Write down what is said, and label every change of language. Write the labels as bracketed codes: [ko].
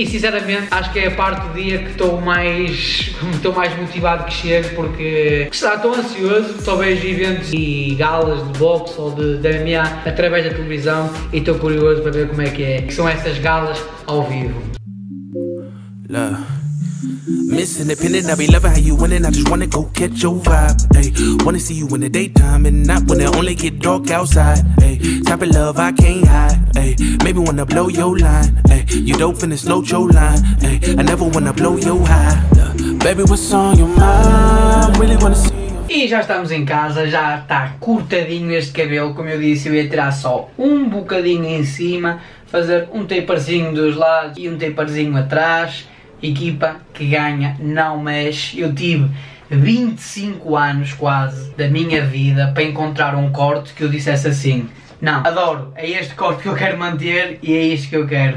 [pt] E sinceramente, acho que é a parte do dia que estou mais motivado que chego, porque está tão ansioso, só vejo eventos e galas de box ou de MMA através da televisão e estou curioso para ver como é que é, que são essas galas ao vivo. [en] Love. Missing the pendant, I be loving how you winning. I just wanna go catch your vibe. Ayy, wanna see you in the daytime and not when it only get dark outside. Ayy, type of love I can't hide. Ayy, maybe wanna blow your line. Ayy, you dope in the snow, your line. Ayy, I never wanna blow your high. Baby, what's on your mind? Really wanna see. [pt] E já estamos em casa, já está cortadinho este cabelo, como eu disse, eu ia tirar só um bocadinho em cima, fazer um taperzinho dos lados e um taperzinho atrás. Equipa que ganha, não mexe. Eu tive 25 anos quase da minha vida para encontrar um corte que eu dissesse assim: não, adoro, é este corte que eu quero manter e é este que eu quero.